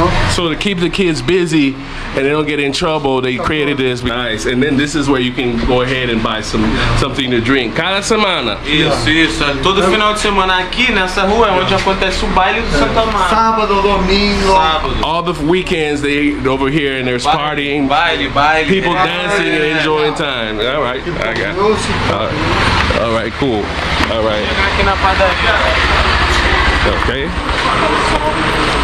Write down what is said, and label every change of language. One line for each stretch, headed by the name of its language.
English: So to keep the kids busy and they don't get in trouble, they created this. Nice. And then this is where you can go ahead and buy something to drink.
Portuguese: Cada semana. Isso. Todo final de semana aqui nessa rua é onde acontece o baile do Santo Amaro. Sábado, domingo. Sábado.
English: All the weekends they over here and there's partying.
Portuguese: Baile.
English: People dancing and enjoying time. All right. I got it. All right, cool. All right. Okay.